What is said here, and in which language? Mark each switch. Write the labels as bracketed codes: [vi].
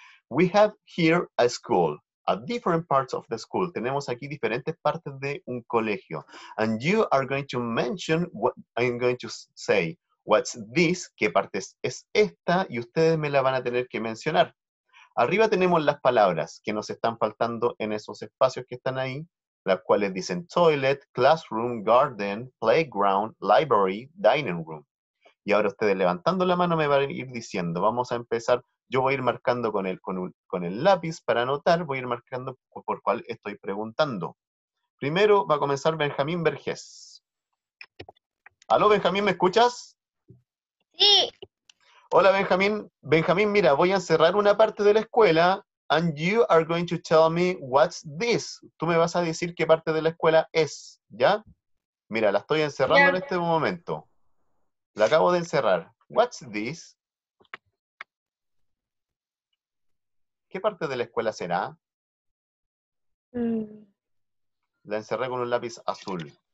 [en] We have here a school, a different parts of the school. [es] Tenemos aquí diferentes partes de un colegio. [en] And you are going to mention what I'm going to say. What's this? [es] ¿Qué parte es esta? Y ustedes me la van a tener que mencionar. Arriba tenemos las palabras que nos están faltando en esos espacios que están ahí, las cuales dicen toilet, classroom, garden, playground, library, dining room. Y ahora ustedes levantando la mano me van a ir diciendo, vamos a empezar, yo voy a ir marcando con el lápiz para anotar, voy a ir marcando por cuál estoy preguntando. Primero va a comenzar Benjamín Vergés. ¿Aló, Benjamín, me escuchas? Sí. Hola, Benjamín. Benjamín, mira, voy a cerrar una parte de la escuela. [en] And you are going to tell me what's this. [es] Tú me vas a decir qué parte de la escuela es, ¿ya? Mira, la estoy encerrando en este momento. La acabo de encerrar. [en] What's this? [es] ¿Qué parte de la escuela será? La encerré con un lápiz azul.